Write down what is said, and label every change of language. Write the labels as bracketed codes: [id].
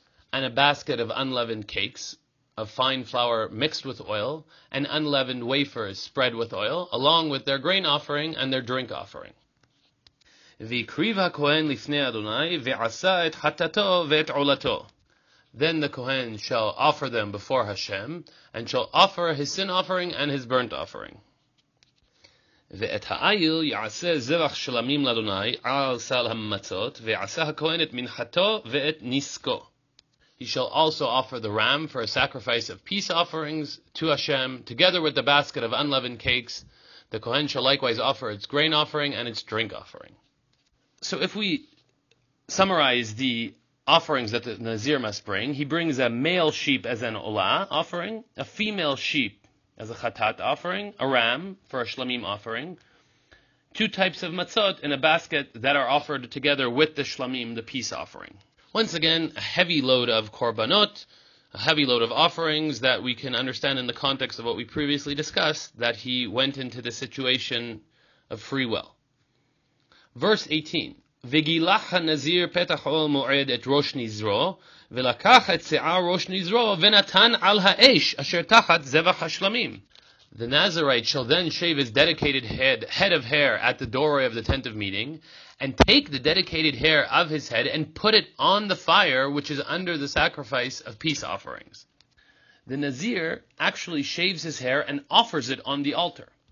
[en] And a basket of unleavened cakes, of fine flour mixed with oil, and unleavened wafers spread with oil, along with their grain offering and their drink offering. [he] V'kriv ha-kohen lifnei Adonai, v'asa et hatato v'et olato. [en] Then the Kohen shall offer them before Hashem, and shall offer his sin offering and his burnt offering. [he] ואת העיל יעשה זבח שלמים לאדוני על סל המצות, ויעשה הכהן את מנחתו ואת נסקו. [en] He shall also offer the ram for a sacrifice of peace offerings to Hashem, together with the basket of unleavened cakes. The Kohen shall likewise offer its grain offering and its drink offering. So if we summarize the offerings that the Nazir must bring, he brings a male sheep as an olah offering, a female sheep as a chatat offering, a ram for a shlamim offering, two types of matzot in a basket that are offered together with the shlamim, the peace offering. Once again, a heavy load of korbanot, a heavy load of offerings that we can understand in the context of what we previously discussed, that he went into the situation of free will. Verse 18. [he] וגילח הנזיר פתח אוהל מועד את ראש נזרו, ולקח את שיער ראש נזרו, ונתן על האש אשר תחת זבח השלמים. [en] The Nazirite shall then shave his dedicated head of hair at the doorway of the tent of meeting, and take the dedicated hair of his head and put it on the fire which is under the sacrifice of peace offerings. The Nazir actually shaves his hair and offers it on the altar.